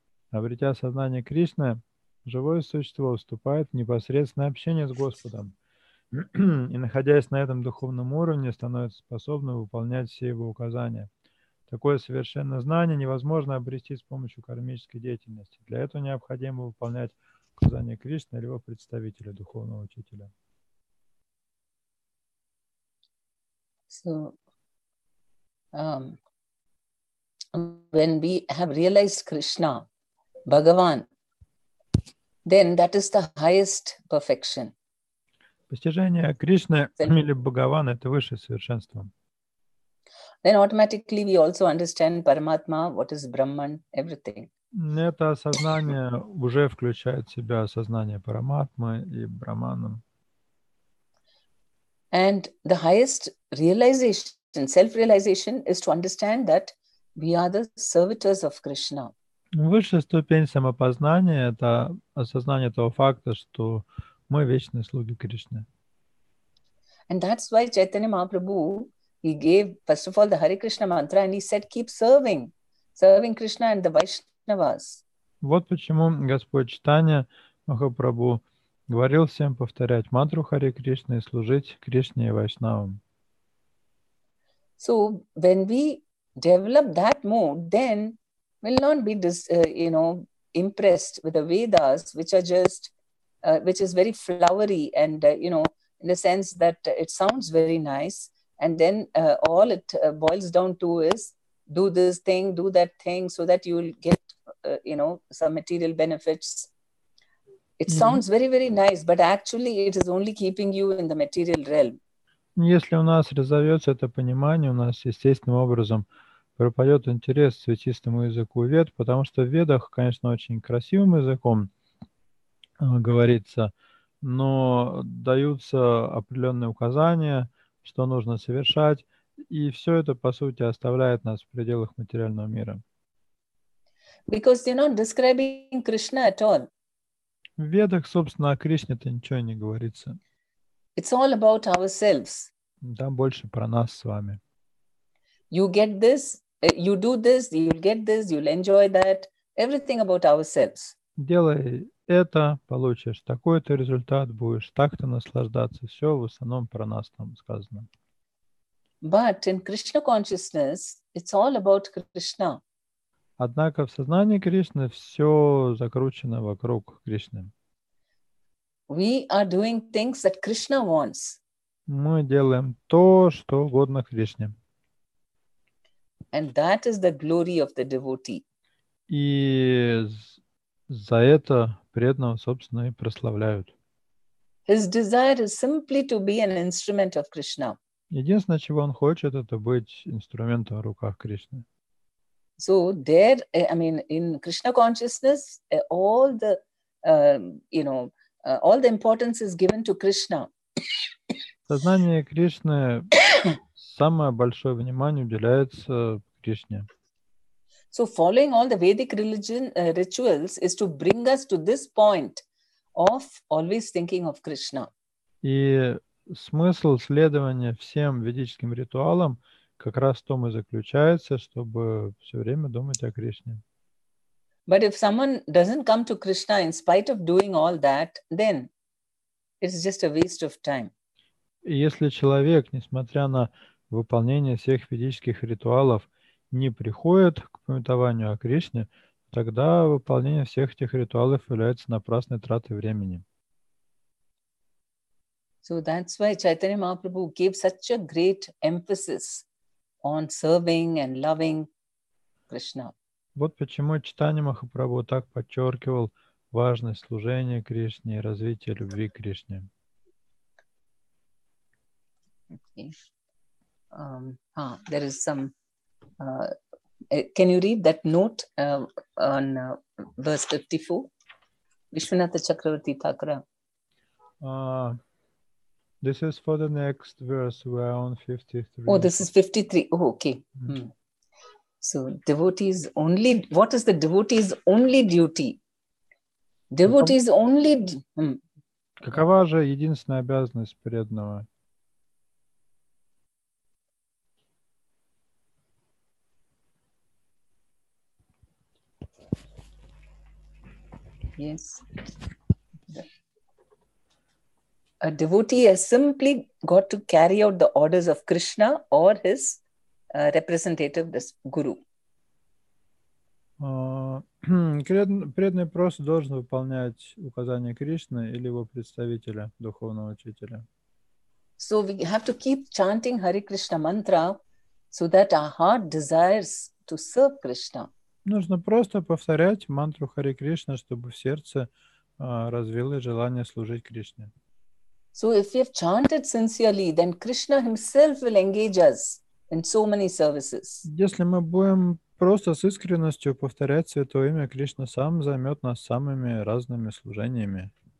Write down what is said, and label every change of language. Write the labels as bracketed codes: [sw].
[ru] Обретя сознание Кришны, живое существо вступает в непосредственное общение с Господом и, находясь на этом духовном уровне, становится способным выполнять все его указания. Такое совершенное знание невозможно обрести с помощью кармической деятельности. Для этого необходимо выполнять указания Кришны или его представителя, духовного учителя. [en] When we have realized Krishna, Bhagavan, then that is the highest perfection. [ru] Постижение Кришны или Бхагавана – это высшее совершенство. [en] Then automatically we also understand Paramatma, what is Brahman, everything. [ru] Это осознание уже включает в себя осознание Параматмы и Брахмана. [en] And the highest realization, and self-realization is to understand that we are the servitors of Krishna. [ru] Высшая ступень самопознания – это осознание того факта, что мы вечные слуги Кришны. [en] And that's why Chaitanya Mahaprabhu, he gave, first of all, the Hare Krishna mantra, and he said, keep serving, serving Krishna and the Vaishnavas. [ru] Вот почему Господь Чайтанья Махапрабху говорил всем повторять мантру Харе Кришны и служить Кришне и Вайшнавам. [en] So when we develop that mood, then we'll not be impressed with the Vedas, which are just which is very flowery and in the sense that it sounds very nice, and then all it boils down to is do this thing, do that thing, so that you'll get some material benefits. It sounds very, very nice, but actually it is only keeping you in the material realm. [ru] Если у нас разовьется это понимание, у нас естественным образом пропадет интерес к святистому языку вед, потому что в ведах, конечно, очень красивым языком говорится, но даются определенные указания, что нужно совершать, и все это, по сути, оставляет нас в пределах материального мира. [en] Because they're not describing Krishna at all. [ru] В ведах, собственно, о Кришне-то ничего не говорится. [en] It's all about ourselves. [ru] Там больше про нас с вами. [en] You get this, you do this, you'll get this, you'll enjoy that. Everything about ourselves. [ru] Делай это, получишь такой-то результат, будешь так-то наслаждаться. Все в основном про нас там сказано. [en] But in Krishna consciousness, it's all about Krishna. [ru] Однако в сознании Кришны все закручено вокруг Кришны. [en] We are doing things that Krishna wants. [ru] Мы делаем то, что угодно Кришне. [en] And that is the glory of the devotee. [ru] И за это преданного, собственно, и прославляют. [en] His desire is simply to be an instrument of Krishna. [ru] Единственное, чего он хочет, это быть инструментом в руках Кришны. [en] So there, in Krishna consciousness, all the importance is given to Krishna. [ru] Сознание Кришны самое большое внимание уделяется Кришне. [en] So following all the Vedic religion rituals is to bring us to this point of always thinking of Krishna. [ru] И смысл следования всем ведическим ритуалам как раз в том и заключается, чтобы все время думать о Кришне. [en] But if someone doesn't come to Krishna in spite of doing all that, then it's just a waste of time. [ru] Если человек, несмотря на выполнение всех ведических ритуалов, не приходит к памятованию о Кришне, тогда выполнение всех этих ритуалов является напрасной тратой времени. [en] So that's why Chaitanya Mahaprabhu gave such a great emphasis on serving and loving Krishna. [ru] Вот почему Чайтанья Махапрабху так подчеркивал важность служения Кришне и развития любви к Кришне. [en] There is some. Can you read that note on verse 54? Vishwanatha Chakravarti Thakura. This is for the next verse. We are on 53. Oh, this is 53. Oh, okay. Mm-hmm. So, devotee's only. What is the devotee's only duty? Devotee's only. [ru] Какова же единственная обязанность преданного? [en] Yes. A devotee has simply got to carry out the orders of Krishna or his representative, this guru. [ru] Преданный просто должен выполнять указания Кришны или его представителя, духовного учителя. [en] So we have to keep chanting Hare Krishna mantra so that our heart desires to serve Krishna. [ru] Нужно просто повторять мантру Хари Кришна, чтобы в сердце развилось желание служить Кришне. [en] So if we have chanted sincerely, then Krishna himself will engage us in so many services. [ru] Если мы будем просто с искренностью повторять святое имя, Кришна сам займет нас самыми разными служениями.